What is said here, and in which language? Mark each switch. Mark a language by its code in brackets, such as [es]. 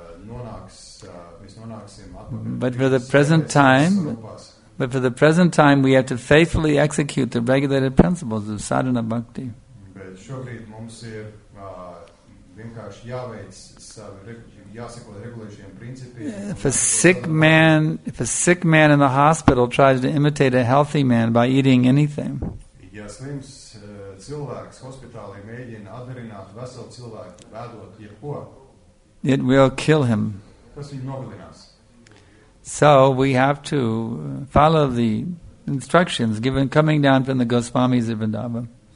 [en] But for the present time, but for the present time, we have to faithfully execute the regulated principles of sadhana bhakti. [lv] Bet šobrīd mums ir vienkārši jāveic savu jāsako regulējošiem principiem. [en] If a sick man in the hospital tries to imitate a healthy man by eating anything. [lv] Ja slims cilvēks hospitālī mēģina atdarināt veselu cilvēku ēdot jebko. [en] It will kill him. [lv] Tas viņu nogalinās. [en] So we have to follow the instructions given coming down from the Goswamis of Vrindavan.